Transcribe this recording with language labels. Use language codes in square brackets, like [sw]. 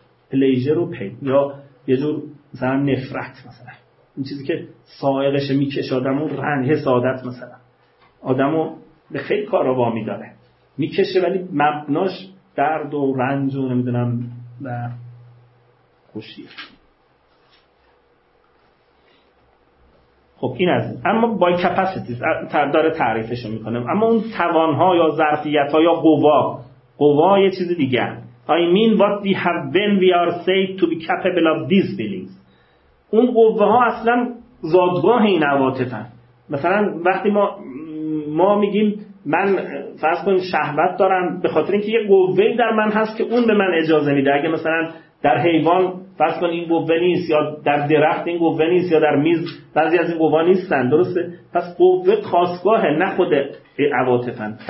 [fa] پلیجر و پین، یا یه جور مثلا نفرت، مثلا این چیزی که سائقشه میکشه آدمو، رنج حسادت مثلا آدمو به خیلی کارا وا میداره، میکشه ولی مبناش درد و رنج و نمیدونم و خوشیه. خب این از این. اما بای کپاسیتیز داره تعریفشو میکنه، اما اون توانها یا ظرفیتها یا قوا یه چیز دیگه. [en] I mean what we have when we are said to be capable of these feelings. [fa] اون قوه ها اصلا زادگاه این عواطف هست. مثلا وقتی ما میگیم من فرض کنیم شهوت دارم، به خاطر اینکه یه قوه در من هست که اون به من اجازه میده. اگه مثلا در حیوان فرض کنیم این قوه نیست، یا در درخت این قوه نیست، یا در میز بعضی از این قوه نیستن، درسته؟ پس قوه خاصگاهه، نه خود عواطف هست.